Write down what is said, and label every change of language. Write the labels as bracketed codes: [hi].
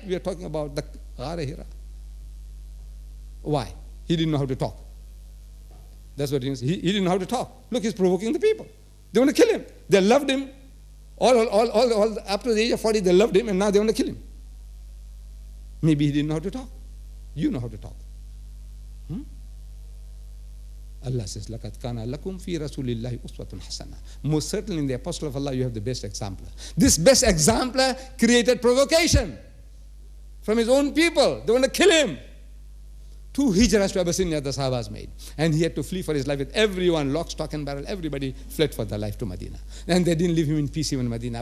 [en] We are talking about the Gharahira. Why? He didn't know how to talk. That's what he means. He didn't know how to talk. Look, he's provoking the people. They want to kill him. They loved him. All up to the age of 40, they loved him, and now they want to kill him. Maybe he didn't know how to talk. You know how to talk. Allah says, [ar] لَكَدْ كَانَ لَكُمْ فِي رَسُولِ اللَّهِ أُسْوَةٌ حَسَنًا. [en] Most certainly in the apostle of Allah, you have the best exemplar. This best exemplar created provocation from his own people. They want to kill him. Two hijras to Abyssinia the Sahabas made. And he had to flee for his life with everyone, lock, stock, and barrel. Everybody fled for their life to Medina. And they didn't leave him in peace even in Medina.